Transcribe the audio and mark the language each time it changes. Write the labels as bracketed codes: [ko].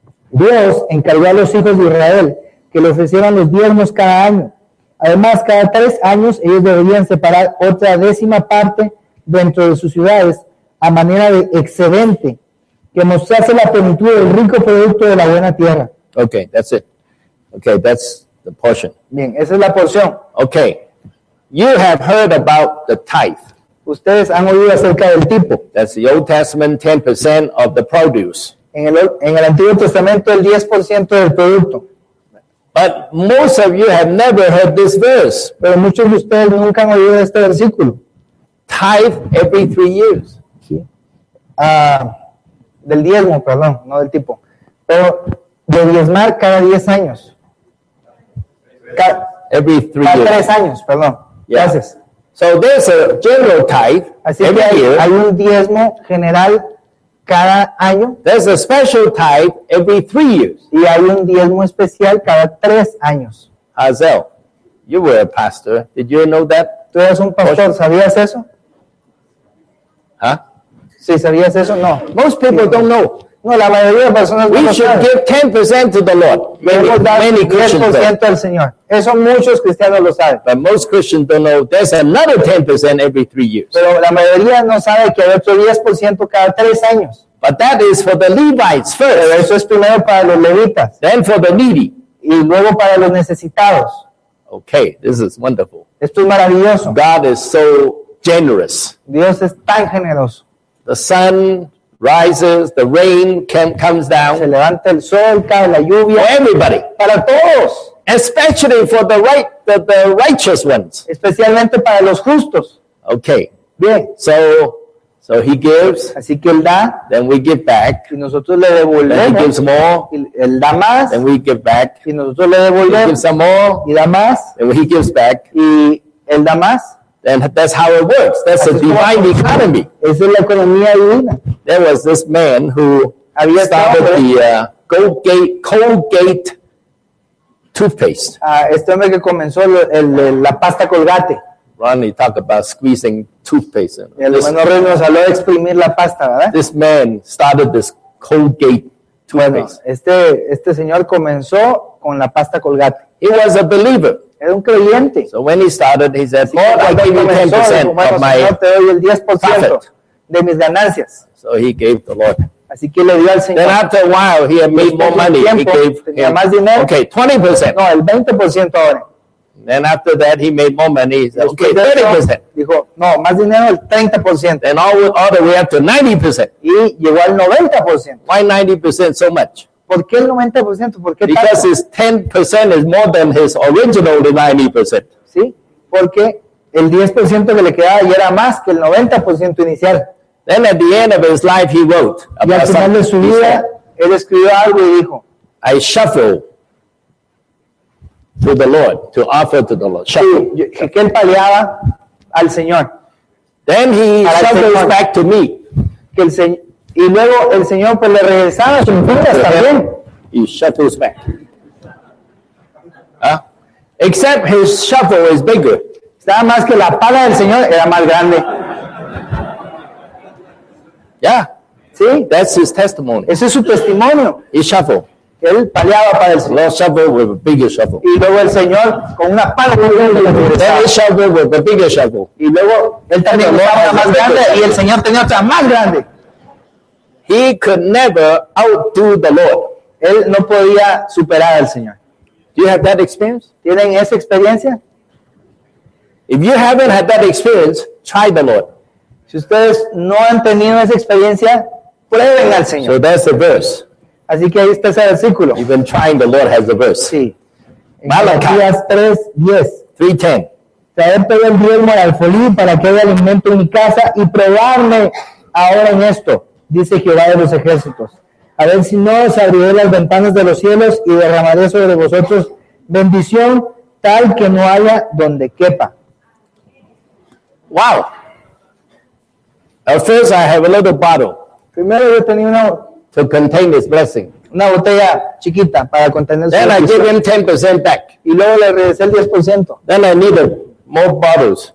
[es] Dios encargó a los hijos de Israel que le ofrecieran los diezmos cada año. Además, cada tres años ellos deberían separar otra décima parte dentro de sus ciudades a manera de excedente, que mostrase la plenitud del rico producto de la buena tierra. [en] Okay, that's it. Okay, that's the portion. [es] Bien, esa es la porción. [en] Okay, you have heard about the tithe. [es] Ustedes han oído acerca del tipo. [en] That's the Old Testament 10% of the produce. [es] En el Antiguo Testamento el 10% del producto. [en] But most of you have never heard this verse. [es] Pero muchos de ustedes nunca han oído este versículo. [en] Tithe every three years. [es] Sí. Del diezmo, perdón, no del tipo. Pero de diezmar cada 10 años. Cada tres años, perdón. Yeah. Gracias. [en] So there's a general tithe. [es] Así que hay un diezmo general cada año. [en] There's a special tithe every three years. [es] Y hay un diezmo especial cada tres años. [en] Hazel, you were a pastor. Did you know that? [es] Tú eras un pastor. ¿Sabías eso? ¿Ah? Huh? Sí, ¿sabías eso? No. [en] Most people don't know. [es] No, la mayoría de personas [en] we should [es] saben. [en] Give 10% to the Lord. Many Christians don't. [es] Al Señor. Eso muchos cristianos lo saben. [en] But most Christians don't know there's another 10% every three years. [es] Pero la mayoría no sabe que hay otro 10% cada tres años. [en] But that is for the Levites first. [es] Pero eso es primero para los levitas. [en] Then for the needy. [es] Y luego para los necesitados. [en] Okay, this is wonderful. [es] Esto es maravilloso. [en] God is so generous. [es] Dios es tan generoso. [en] The sun rises, the rain comes down. [es] Se levanta el sol, cae la lluvia. [en] For everybody. [es] Para todos. [en] Especially for the righteous ones. [es] Especialmente para los justos. [en] Okay. [es] Bien. [en] So, So he gives, [es] así que él da, [en] then we give back, [es] y nosotros le devolvemos. [en] Then he gives more, [es] y él da más, [en] then we give back, [es] y nosotros le devolvemos. [en] He gives some more, [es] y da más, [en] then he gives back, [es] y él da más. [en] And that's how it works. That's a divine economy. [es] Esa es la economía divina. [en] There was this man who [es] había [en] started the Colgate toothpaste. [es] Este hombre que comenzó la pasta Colgate. [en] Ronnie talked about squeezing toothpaste. [es] El hermano Rey nos habló de exprimir la pasta, ¿verdad? [en] This man started this Colgate toothpaste. [es] Bueno, este señor comenzó con la pasta Colgate. [en] He was a believer. [es] Era un creyente. [en] So when he started, he said, Lord, I give you 10% of my profit. [es] De mis ganancias. [en] So he gave the Lord. [es] Así que le dio al Señor. [en] Then after a while, he had made more money. [es] Tiempo, [en] he gave [es] tenía más dinero. [en] Okay, 20%. [es] No, el 20% ahora. [en] Then after that, he made more money. He said, okay, 30%. [es] Dijo, no, más dinero, el 30%. [en] And all the way up to 90%. [es] Y llegó al 90%. [en] Why 90% so much? [es] ¿Por qué el 90%? ¿Por qué [en] Because [es] tanto? [en] His 10% is more than his original 90%. [es] Sí, porque el 10% que le quedaba ya era más que el 90% inicial. [en] Then at the end of his life, he wrote. [es] Y al final de su vida, él escribió algo y dijo, [en] I shuffle to the Lord, to offer to the Lord. [es] Sí, que él paliaba al Señor. [en] Then he shuffles back to me. [es] Que el Señor. Y luego el Señor pues le regresaba sus cuentas también. [en] He shuffles back. Except his shuffle is bigger. [es] Nada más que la pala del Señor era más grande. [en] Yeah. [es] Sí. [en] That's his testimony. [es] Ese es su testimonio. [en] He shuffle. [es] Él paliaba para el Señor. [en] Lord shuffle with a bigger shuffle. [es] Y luego el Señor con una pala muy grande. [en] Then he shuffle with a bigger shuffle. [es] Y luego él tenía una pala más grande y el Señor tenía otra más grande. [en] He could never outdo the Lord. [es] Él no podía superar al Señor. [en] Do you have that experience? [es] ¿Tienen esa experiencia? [en] If you haven't had that experience, try the Lord. [es] Si ustedes no han tenido esa experiencia, prueben al Señor. [en] So that's the verse. [es] Así que ahí está ese versículo. [en] Even trying the Lord has the verse. [es] Sí. [en] Malachi 3:10. [es] Traer todo el diezmo al folí para que haya alimento en mi casa y probarme ahora en esto. Dice Jehová de los ejércitos. A ver si no os abriré las ventanas de los cielos y derramaré sobre vosotros bendición tal que no haya donde quepa. [en] Wow. At first I have a little bottle. [es] Primero yo tenía una [en] to contain this blessing. [es] Una botella chiquita para contener su bendición. [en] Then I gave him 10% back. [es] Y luego le regresé el 10%. [en] Then I needed more bottles.